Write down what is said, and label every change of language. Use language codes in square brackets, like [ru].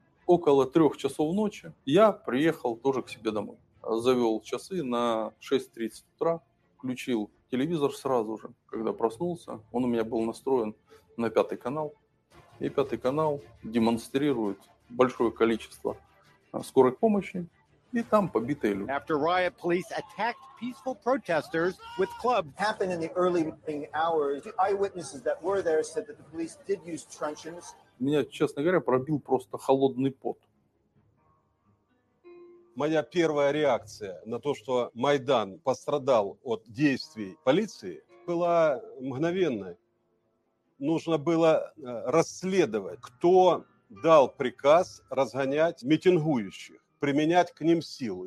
[ru] Около 3 часов ночи я приехал тоже к себе домой. Завел часы на 6:30 утра, включил телевизор сразу же, когда проснулся. Он у меня был настроен на 5-й канал. И 5-й канал демонстрирует большое количество скорой помощи. И там побитые люди. [en] After riot, police attacked peaceful protesters with clubs. Happened in the early morning hours. The eyewitnesses that were there said that the police did use truncheons. [ru] Меня, честно говоря, пробил просто холодный пот. Моя первая реакция на то, что Майдан пострадал от действий полиции, была мгновенной. Нужно было расследовать, кто дал приказ разгонять митингующих, применять к ним силу.